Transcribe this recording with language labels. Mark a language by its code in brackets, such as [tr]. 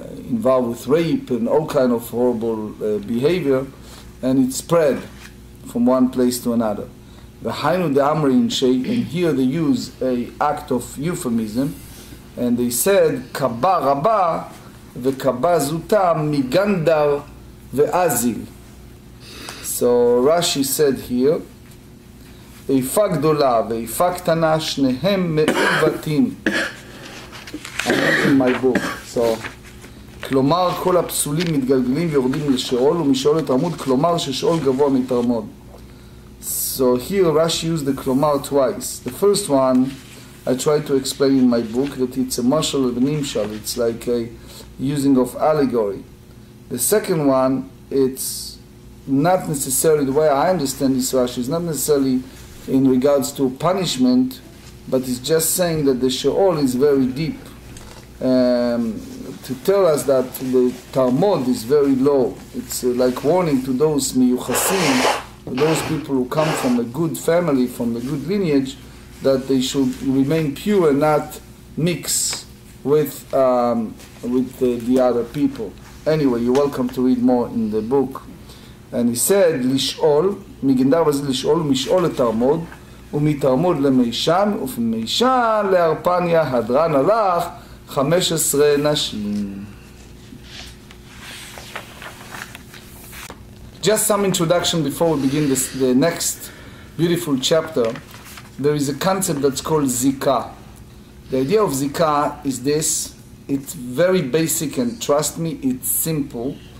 [en] involved with rape and all kind of horrible behavior, and it spread from one place to another. [arc] והיינו דאמרי אינשי, [en] and here they use a act of euphemism, and they said, [arc] קבא רבא וקבא זוטה מגנדר ואזיל. [en] So Rashi said here, [he] איפה גדולה ואיפה קטנה שניהם מעוותים. [en] I'm not in my book. So, [he] כלומר כל הפסולים מתגלגלים ויורדים לשאול ומשאול לתרמוד, כלומר ששאול גבוה מתרמוד. [en] So here Rashi used the klomar twice. The first one I tried to explain in my book, that it's a mashal of nimshal, it's like a using of allegory. The second one, it's not necessarily, the way I understand this Rashi, is not necessarily in regards to punishment, but it's just saying that the Sheol is very deep, to tell us that the Talmud is very low. It's like warning to those miyuchasim, those people who come from a good family, from a good lineage, that they should remain pure and not mix with the other people. Anyway, you're welcome to read more in the book. And he said, [he] לשאול, מגנדר וזה לשאול, משאול לתרמוד, ומתרמוד למישן, ומישן להרפניה, הדרן הלך, 15 נשים. [en] Just some introduction before we begin this, the next beautiful chapter. There is a concept that's called Zika. The idea of Zika is this. It's very basic, and trust me, it's simple.